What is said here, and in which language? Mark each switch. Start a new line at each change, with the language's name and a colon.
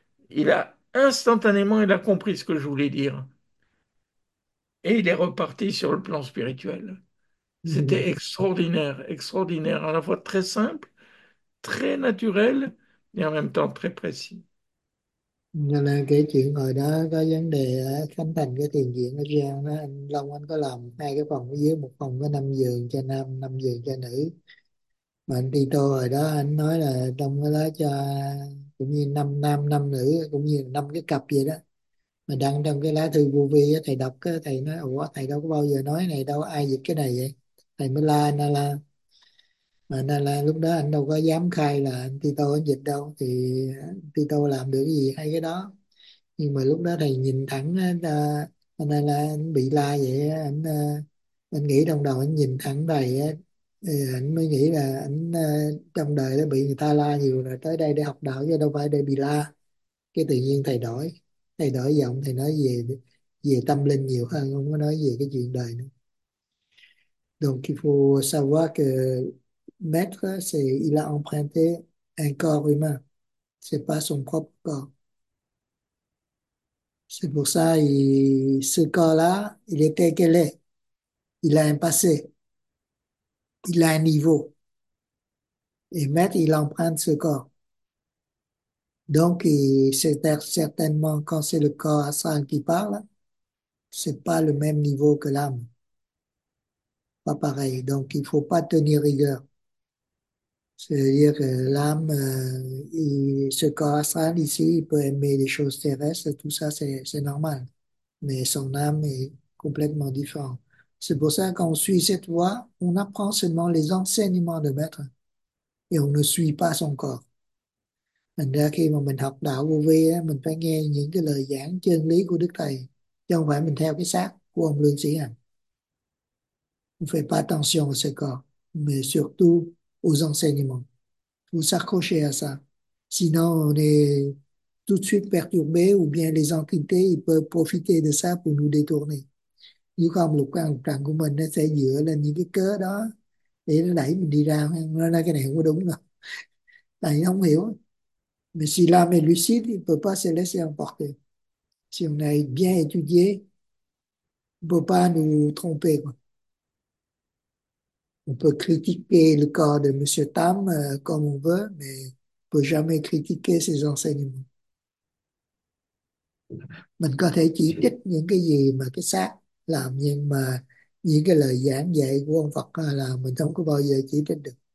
French: Il a instantanément, il a compris ce que je voulais dire. Et il est reparti sur le plan spirituel. C'était extraordinaire, extraordinaire, à la fois très simple, très naturel et en même temps très précis.
Vietnamese: Nên là cái chuyện hồi đó có vấn đề ở Khánh Thành, cái tiền viện ở Giang đó, anh Long anh có làm hai cái phòng ở dưới, một phòng có 5 giường cho nam, 5 giường cho nữ. Mà anh Tito hồi đó anh nói là trong cái đó cho cũng như năm nam năm nữ, cũng như 5 cái cặp vậy đó, mà đăng trong cái lá thư vô vi đó, thầy đọc cái thầy nói ủa thầy đâu có bao giờ nói này đâu, ai dịch cái này vậy, thầy mới la anh la. Mà nên là lúc đó anh đâu có dám khai là anh Tito anh dịch đâu, thì Tito làm được cái gì hay cái đó. Nhưng mà lúc đó thầy nhìn thẳng nên là anh bị la vậy, anh nghĩ trong đầu anh nhìn thẳng thầy á, anh mới nghĩ là anh trong đời đã bị người ta la nhiều rồi, tới đây để học đạo chứ đâu phải để bị la. Cái tự nhiên thầy đổi giọng, thầy nói về về tâm linh nhiều hơn, không có nói về cái chuyện đời nữa.
French: Donc il faut savoir que maître, c'est il a emprunté un corps humain, c'est pas son propre corps. C'est pour ça il, ce corps-là, il est tel qu'il est. Il a un passé, il a un niveau. Et maître, il emprunte ce corps. Donc, c'est certainement quand c'est le corps astral qui parle, c'est pas le même niveau que l'âme. Pas pareil. Donc, il faut pas tenir rigueur. C'est-à-dire que l'âme, ce corps astral ici, il peut aimer les choses terrestres, tout ça, c'est normal. Mais son âme est complètement différente. C'est pour ça qu'on suit cette voie, on apprend seulement les enseignements de maître et on ne suit pas son corps.
Vietnamese: Thành ra khi mà mình học đạo vô vi, mình phải nghe những cái lời giảng chân lý của Đức Thầy, chứ không phải mình theo cái xác của ông Lương Sĩ Hằng. Mình phải
French: pas attention à ce corps, mais surtout aux enseignements. Faut s'accrocher à ça. Sinon, on est tout de suite perturbé ou bien les entités, ils peuvent profiter de ça pour nous détourner.
Vietnamese: Nếu không, lục căn lục trần của mình nó sẽ dựa lên những cái cớ đó để nó đẩy mình đi ra. Nó nói cái này không có đúng đâu. Tại nó không hiểu.
French: Mais si l'âme est lucide, il ne peut pas se laisser emporter. Si on a bien étudié, il ne peut pas nous tromper, quoi. On peut critiquer le corps de M. Tam comme on veut, mais on ne peut jamais critiquer ses enseignements.
Vietnamese: Mình có thể chỉ trích những cái gì mà cái xác làm, nhưng mà những cái lời giảng dạy của ông Phật là mình không có bao giờ chỉ trích được.